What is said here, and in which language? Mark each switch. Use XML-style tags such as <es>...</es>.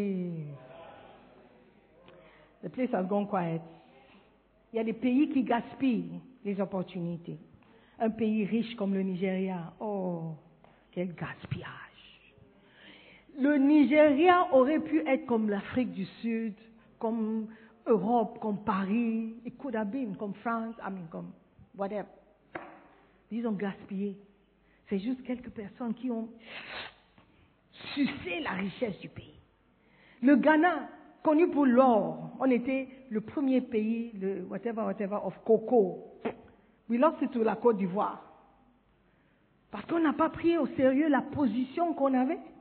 <en>Forgive. The place has gone quiet.</en> <fr>Il y a des pays qui gaspillent les opportunités. Un pays riche comme le Nigeria. Oh, quel gaspillage. Le Nigeria aurait pu être comme l'Afrique du Sud, comme Europe, comme Paris.</fr> <en>It could have been</en> <fr>comme</fr> <en>France, I mean, comme whatever.</en> <fr>Ils ont gaspillé. C'est juste quelques personnes qui ont sucé la richesse du pays. Le Ghana, connu pour l'or, on était le premier pays, le whatever,</fr> <en>of cocoa. We lost it to</en> <fr>la Côte d'Ivoire. Parce qu'on n'a pas pris au sérieux la position qu'on avait.</fr>